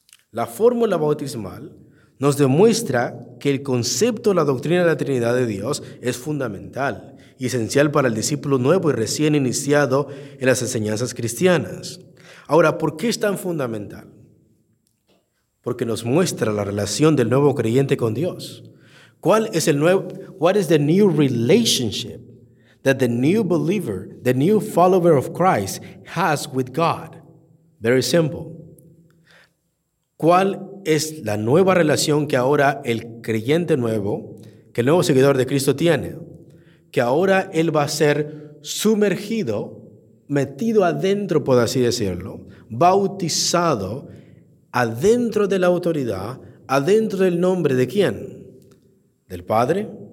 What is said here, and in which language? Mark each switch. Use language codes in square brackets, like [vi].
[es] La fórmula bautismal nos demuestra que el concepto, la doctrina de la Trinidad de Dios es fundamental y esencial para el discípulo nuevo y recién iniciado en las enseñanzas cristianas. Ahora, ¿por qué es tan fundamental? Porque nos muestra la relación del nuevo creyente con Dios. ¿Cuál es el nuevo? [en] What is the new relationship that the new believer, the new follower of Christ, has with God? Very simple. [es] ¿Cuál es la nueva relación que ahora el creyente nuevo, que el nuevo seguidor de Cristo tiene? Que ahora él va a ser sumergido, metido adentro, por así decirlo, bautizado adentro de la autoridad, adentro del nombre ¿de quién? Del Padre,